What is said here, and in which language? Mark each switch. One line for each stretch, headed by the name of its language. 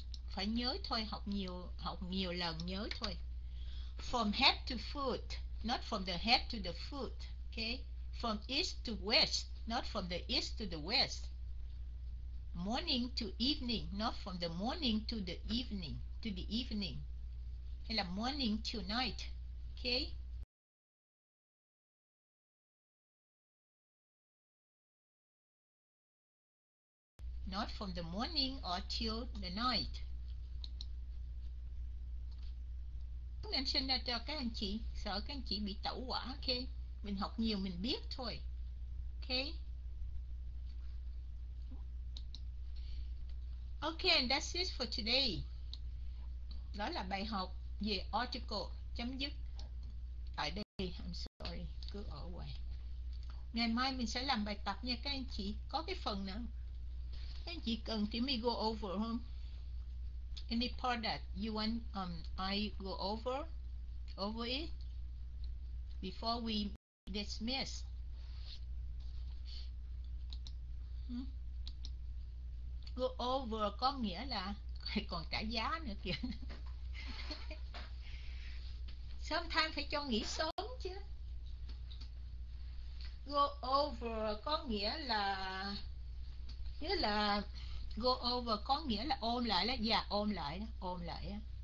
Vietnamese: Phải nhớ thôi, học nhiều lần nhớ thôi.
English: From head to foot, not from the head to the foot, okay? From east to west, not from the east to the west. Morning to evening, not from the morning to the evening, to the evening.
Vietnamese: Hay là
English: morning to night, okay? Not from the morning or till the night.
Vietnamese: Em xin ra cho các anh chị, sợ các anh chị bị tẩu quả, okay? Mình học nhiều mình biết thôi, okay?
English: Okay, and that's it for today.
Vietnamese: Đó là bài học về article, chấm dứt tại đây.
English: I'm sorry,
Vietnamese: cứ ở ngoài. Ngày mai mình sẽ làm bài tập nha các anh chị. Có cái phần nào các anh chị cần thì mình go over không?
English: Any part that you want I go over, over it before we dismiss?
Vietnamese: Go over có nghĩa là còn trả giá nữa kìa. Sometimes phải cho nghỉ sớm chứ. Go over có nghĩa là, nghĩa là go over có nghĩa là ôm lại đó. Dạ, ôm lại đó. Ôm lại đó.